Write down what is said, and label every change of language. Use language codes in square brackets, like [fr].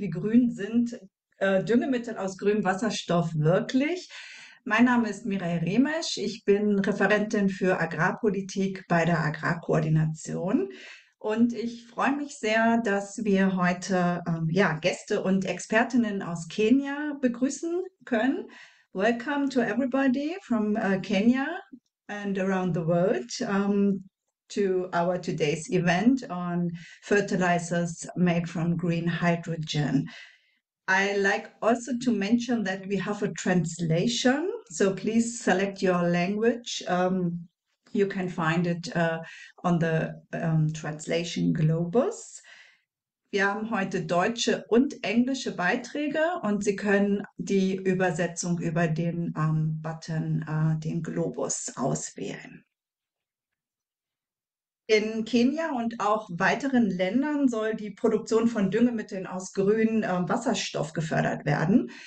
[de] Wie grün sind Düngemittel aus grünem Wasserstoff wirklich? Mein Name ist Mireille Remesch. Ich bin Referentin für Agrarpolitik bei der Agrarkoordination. Und ich freue mich sehr, dass wir heute Gäste und Expertinnen aus Kenia begrüßen können. [en] Welcome to everybody from Kenya and around the world. To our today's event on fertilizers made from green hydrogen. I like also to mention that we have a translation, so please select your language. You can find it on the translation Globus. [de] Wir haben heute deutsche und englische Beiträge und Sie können die Übersetzung über den Button, den Globus, auswählen. In Kenia und auch weiteren Ländern soll die Produktion von Düngemitteln aus grünem Wasserstoff gefördert werden.